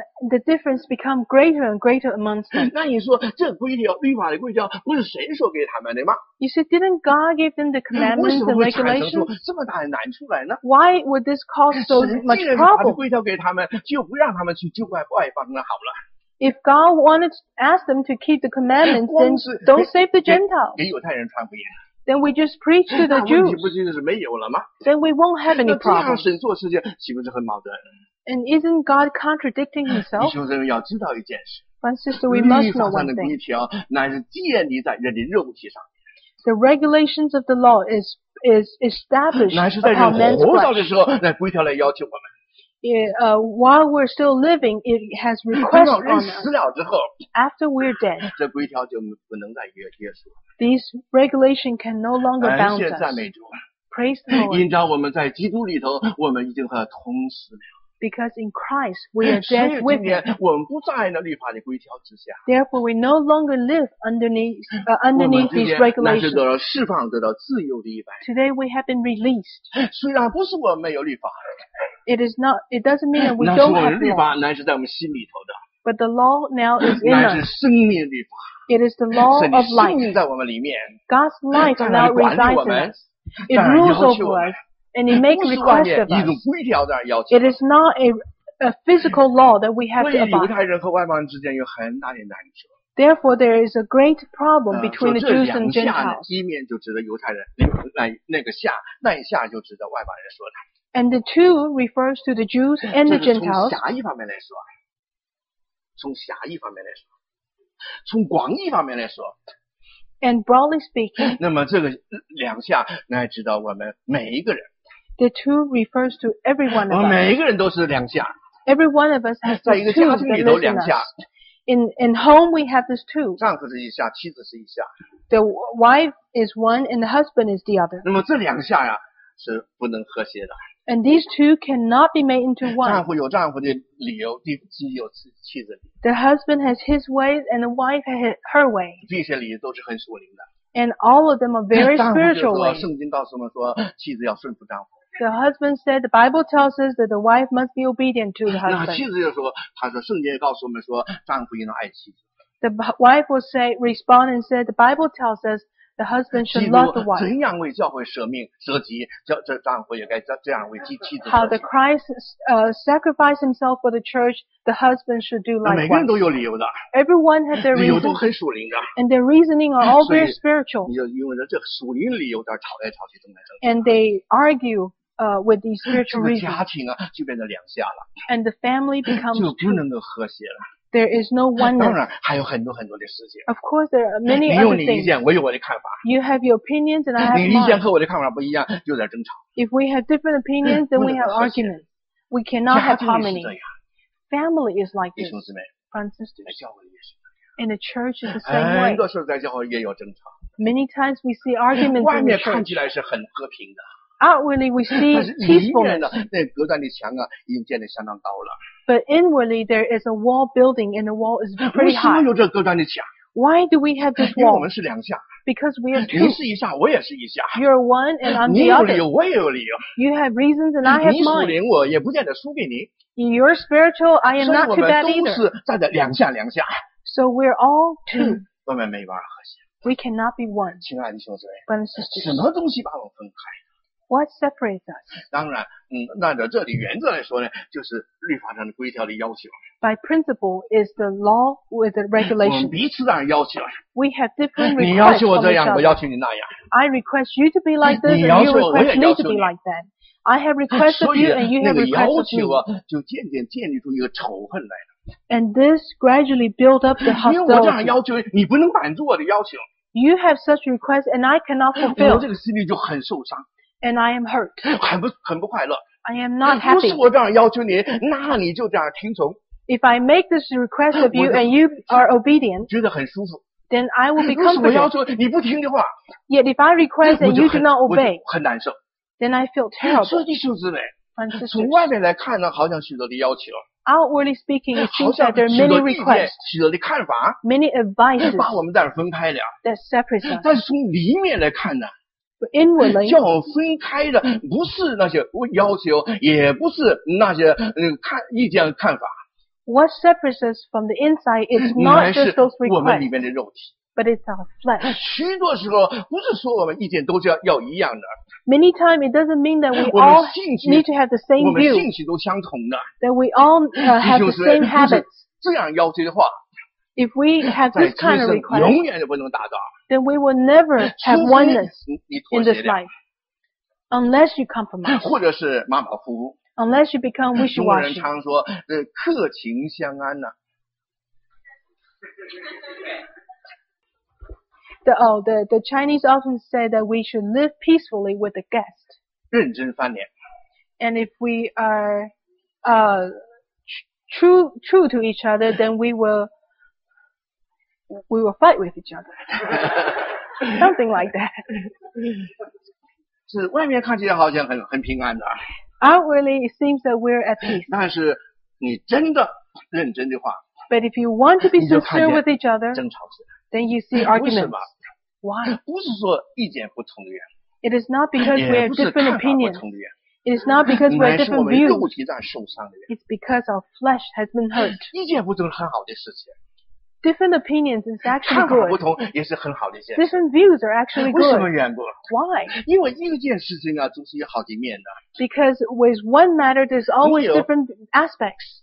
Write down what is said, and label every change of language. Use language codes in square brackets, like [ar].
[en] The difference become greater and greater amongst them. [zh] 那你说这规条律法的规条不是谁说给他们的吗？ [en] You said, didn't God give them the commandments and regulations? [zh] 为什么会产生出这么大的难出来呢？ [en] Why would this cause so much problem? [zh] 把规条给他们，就不让他们去救外邦人好了。 [en] If God wanted to ask them to keep the commandments, then don't save the Gentiles. [zh] 给犹太人传福音。 [en] Then we just preach to the Jews. [zh] 那问题不就是没有了吗？ [en] Then we won't have any problem. [zh] 那这样神做事情岂不是很矛盾？ [en] And isn't God contradicting himself? [zh] 弟兄姊妹要知道一件事。 [en] One sister, we must know one thing. [zh] 律法上的规条乃是建立在人的肉体上。 [en] The regulations of the law is established upon man's flesh. [zh] 乃是在人活着的时候，那规条来要求我们。 [en] While we're still living, it has requests on us. [zh] 人死了之后。 [en] After we're dead. [zh] 这规条就不能再约束。 [en] These regulations can no longer bound us. [zh] 感谢赞美主。 [en] Praise the Lord. [zh] 因着我们在基督里头，我们已经和他同死了。 [en] Because in Christ we are dead with him. [zh] 我们不在那律法的规条之下。 [en] Therefore we no longer live underneath these regulations. [zh] 我们今天乃是得到释放，得到自由的一般。 [en] Today we have been released. [zh] 虽然不是我们没有律法。 [en] It doesn't mean that we don't have law. [zh] 那是我们律法乃是在我们心里头的。 [en] But the law now is in us. [zh] 乃是生命律法。 [en] It is the law of life. [zh] 生命在我们里面。 [en] God's life now resides in us. It rules over us. And it makes requests of us. It is not a physical law that we have to abide. [zh] 犹太人和外邦人之间有很大的难处。 [en] Therefore, there is a great problem between the Jews and Gentiles. [zh] 一面就指着犹太人，那个下，那一下就指着外邦人说的。 [en] And the two refers to the Jews and the Gentiles. [zh] 这是从狭义方面来说，从狭义方面来说，从广义方面来说。 [en] And broadly speaking, [zh] 那么这个两下乃指到我们每一个人。 [en] The two refers to every one of us. [zh] 我们每一个人都是两下。 [en] Every one of us has two. [zh] 在一个家庭里头两下。 [en] In home we have this two. [zh] 丈夫是一下，妻子是一下。 [en] The wife is one and the husband is the other. [zh] 那么这两下呀是不能和谐的。 [en] And these two cannot be made into one. [zh] 丈夫有丈夫的理由，妻子有妻子的理由。 [en] The husband has his way and the wife has her way. [zh] 这些理由都是很属灵的。 [en] And all of them are very spiritual ways. [zh] 丈夫说，圣经告诉我们说，妻子要顺服丈夫。 [en] The husband said, the Bible tells us that the wife must be obedient to the husband. [zh] 那妻子就说，他说，圣经告诉我们说，丈夫应当爱妻子。 [en] The wife will respond and said, the Bible tells us. The husband should love the wife. [zh] 怎样为教会舍命舍己，这丈夫也该这样为妻子舍己。 [en] How the Christ sacrificed himself for the church, the husband should do likewise. [zh] 每个人都有理由的。 [en] Everyone had their reasons. [zh] 理由都很属灵的。 [en] And their reasoning are all very spiritual. [zh] 你就因为这属灵理由在吵来吵去，争来争去。 [en] And they argue with these spiritual reasons. [zh] 这个家庭啊，就变得两下了。 [en] And the family becomes [zh] 就不能够和谐了。 [en] There is no oneness. [zh] 当然还有很多很多的事情。 [en] Of course, there are many other things. [zh] 你有你意见，我有我的看法。 [en] You have your opinions and I have mine. [zh] 你意见和我的看法不一样，就在争吵。 [en] If we have different opinions, then we have arguments. We cannot have harmony. Family is like this. [zh] 弟兄姊妹。 [en] Friends, sisters. [zh] 教会也是。 [en] And the church is the same way. [zh] 很多时候在教会也有争吵。 [en] Many times we see arguments in the church. [zh] 外面看起来是很和平的。 [en] Outwardly we see peacefulness. [zh] 但是里面的那隔断的墙啊，已经建得相当高了。 [en] But inwardly there is a wall building and the wall is pretty high. [zh] 为什么有这隔断的墙？ [en] Why do we have this wall? [zh] 因为我们是两下。 [en] Because we are two. [zh] 你是一下，我也是一下。 [en] You're one and I'm the other. [zh] 你有理由，我也有理由。 [en] You have reasons and I have mine. [zh] 你属灵，我也不见得输给你。 [en] In your spiritual, I am not too bad either. [zh] 所以我们都是站在两下两下。 [en] So we're all two. [zh] 外面没办法和谐。 [en] We cannot be one. [zh] 亲爱的兄弟们，什么东西把我们分开？ [en] What separates us? [zh] 当然，按照这里原则来说呢，就是律法上的规条的要求。 [en] By principle is the law with the regulation. [zh] 我们彼此当然要求。 [en] We have different requests. [zh] 你要求我这样，我要求你那样。 [en] I request you to be like this, and you request me to be like that. I have requests of you, and you have requests of me. [zh] 所以那个要求啊，就渐渐建立出一个仇恨来了。 [en] And this gradually build up the hostility. [zh] 因为我这样要求，你不能满足我的要求。 [en] You have such requests, and I cannot fulfill. [zh] 我这个心里就很受伤。 [en] And I am hurt. [zh] 很不快乐。 [en] I am not happy. [zh] 不是我这样要求你，那你就这样听从。 [en] If I make this request of you and you are obedient, [zh] 觉得很舒服。 [en] Then I will be comfortable. [zh] 不是我要求你不听的话。 [en] Yet if I request and you do not obey, [zh] 很难受。 [en] Then I feel terrible. [zh] 所以弟兄姊妹，从外面来看呢，好像许多的要求。 [en] Outwardly speaking, it seems that there are many requests, [zh] 许多的看法， [en] many advices, [zh] 把我们在这分开了。 [en] That separates us. [zh] 但是从里面来看呢？ [en] Inwardly, [zh] 叫我们分开的不是那些要求，也不是那些看意见看法。 [en] What separates us from the inside is not just those requests, [zh] 我们里面的肉体。 [en] But it's our flesh. [zh] 许多时候不是说我们意见都是 要一样的。 [en] Many times it doesn't mean that we all need to have the same view. [zh] 我们兴趣都相同的。 [en] That we all have the same habits. [zh] 这样要求的话， [en] if we have this kind of request, [zh] 永远都不能达到。 [en] Then we will never have oneness in this life. Unless you compromise. [zh] 或者是马马虎虎。 [en] Unless you become wishy-washy. [zh] 中国人常说客情相安啊。 [en] The Chinese often say that we should live peacefully with the guest. [zh] 认真翻脸。 [en] And if we are, true to each other, then we will fight with each other. Something like that. [zh] 是外面看起来好像很平安的。 [en] Outwardly, it seems that we're at peace. [zh] 但是你真的认真的话， [en] But if you want to be sincere with each other, [zh] 争吵是， [en] then you see arguments. Why? [zh] 不是说意见不同的原因。 [en] It is not because we have different opinions. [zh] 也不是看法不同的原 [en] 因。It is not because we have different views. [zh] 乃是我们肉体上受伤的原因。 [en] It's because our flesh has been hurt. [zh] 意见不同是很好的事情。 [en] Different opinions is actually good. [zh] 看法不同也是很好的一件事。 [en] Different views are actually good. [zh] 为什么缘故？ [en] Why? [zh] 因为一件事情啊，总是有好几面的。 [en] Because with one matter, there's always different aspects.